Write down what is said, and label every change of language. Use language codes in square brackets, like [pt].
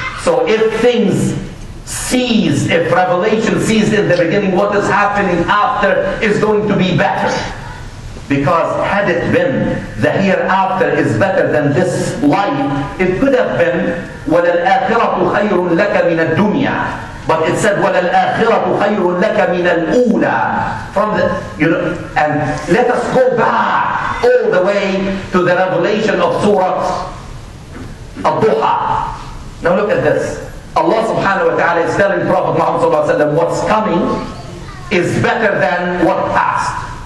[en] So if things cease, if revelation ceased in the beginning, what is happening after is going to be better. Because had it been the hereafter is better than this life, it could have been [ar] وَلَلْآخِرَةُ خَيْرٌ لَكَ مِنَ الدُّنْيَا. [en] But it said [ar] وَلَلْآخِرَةُ خَيْرٌ لَكَ مِنَ الْأُولَى. [en] From the, you know, and let us go back all the way to the revelation of Surah Al-Duha. Now look at this. Allah subhanahu wa ta'ala is telling Prophet Muhammad sallallahu alayhi wa sallam, what's coming is better than what passed.